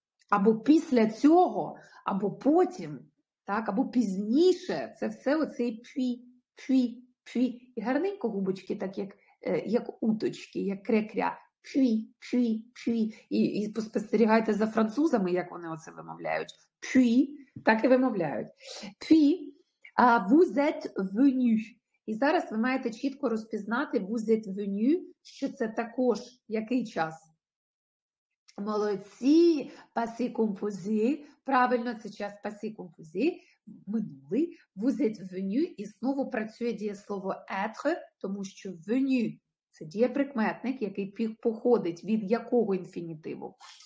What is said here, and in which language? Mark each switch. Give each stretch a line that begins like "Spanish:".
Ukrainian: Або після цього, або потім, так, або пізніше, це все оцей пі, пі, пі. І гарненько губочки, так як уточки, як кря-кря, пі, пі, пі. І поспостерігайте за французами, як вони оце вимовляють. Пі, так і вимовляють.
French: Пі, vous êtes venu.
Ukrainian: І зараз ви маєте чітко розпізнати
French: vous êtes venu,
Ukrainian: що це також який час. Молодці, passé composé, правильно, це час passé composé, минулий,
French: vous êtes venu,
Ukrainian: і знову працює дієслово être, тому що venu – це дієприкметник, який походить від якого інфінітиву.